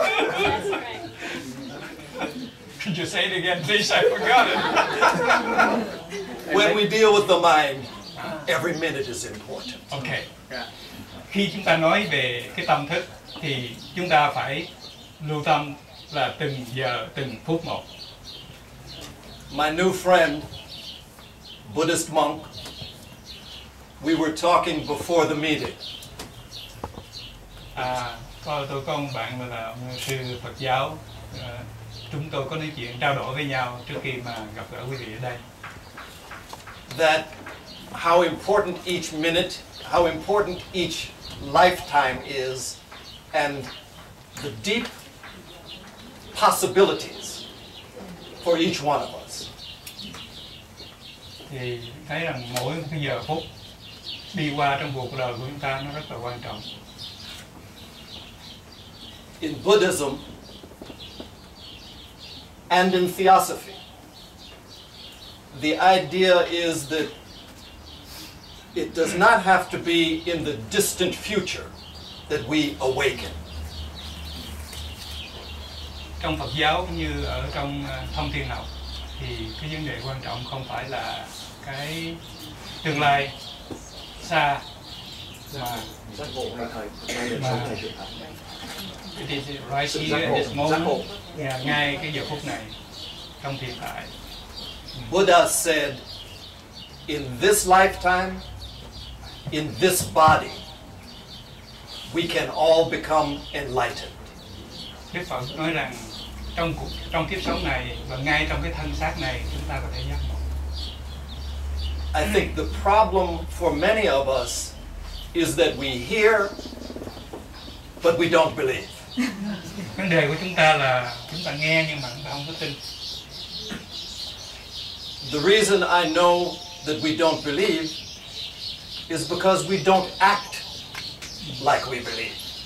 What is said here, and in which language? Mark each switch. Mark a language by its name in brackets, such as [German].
[English] Could you say it again, please? I forgot it. When we deal with the mind, every minute is important. Okay. [Vietnamese] Khi chúng ta nói về cái tâm thức, thì chúng ta phải lưu tâm là từng giờ, từng phút một. [English] My new friend, Buddhist monk, we were talking before the meeting. [Vietnamese] Tôi có ông bạn là ông sư Phật giáo. Chúng tôi có nói chuyện trao đổi với nhau trước khi mà gặp gỡ quý vị ở đây. [English] That how important each minute, how important each lifetime is, and the deep possibilities for each one of us. [Vietnamese] Thì thấy rằng mỗi giờ phút đi qua trong cuộc đời của chúng ta nó rất là quan trọng. [English] In Buddhism and in Theosophy, the idea is that it does not have to be in the distant future that we awaken. [Vietnamese] Trong Phật giáo cũng như ở trong Thông Thiên học thì cái vấn đề quan trọng không phải là cái tương lai xa mà [English] it is right here in this moment, [Vietnamese] ngay cái giờ phút này trong hiện tại. [English] Buddha said, in this lifetime, in this body, we can all become enlightened. [Vietnamese] Đức Phật nói rằng trong kiếp sống này và ngay trong cái thân xác này chúng ta có thể giác ngộ. [English] I think the problem for many of us is that we hear but we don't believe. [Vietnamese] Vấn đề của chúng ta là chúng ta nghe nhưng mà chúng ta không có tin. [English] The reason I know that we don't believe is because we don't act like we believe.